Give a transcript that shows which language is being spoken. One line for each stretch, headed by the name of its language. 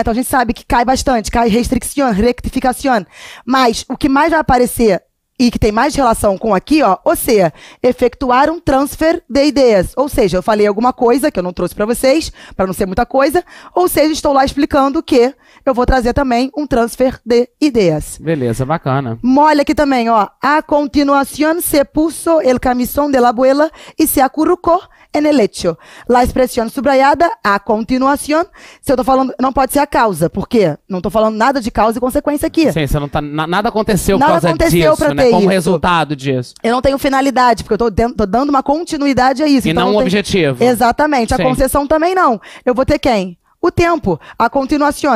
Portuguese: Então a gente sabe que cai bastante, cai restriccion, rectificación. Mas o que mais vai aparecer e que tem mais relação com aqui, ó, ou seja, efetuar um transfer de ideias. Ou seja, eu falei alguma coisa que eu não trouxe para vocês, para não ser muita coisa, ou seja, estou lá explicando que eu vou trazer também um transfer de ideias. Beleza, bacana. Mole aqui também, ó. A continuação
Spanish: se puso el camisón de la abuela y se acurrucó en el lecho. La expresión subrayada,
Portuguese: a continuação, se eu tô falando, não pode ser a causa, porque não tô falando nada de causa e consequência aqui. Sim, você não tá, nada aconteceu por causa disso, né? Como isso. Resultado disso. Eu não tenho finalidade, porque eu tô dando uma continuidade a isso. E então não um objetivo. Exatamente, a concessão também não. Eu vou ter quem? O tempo, a continuação.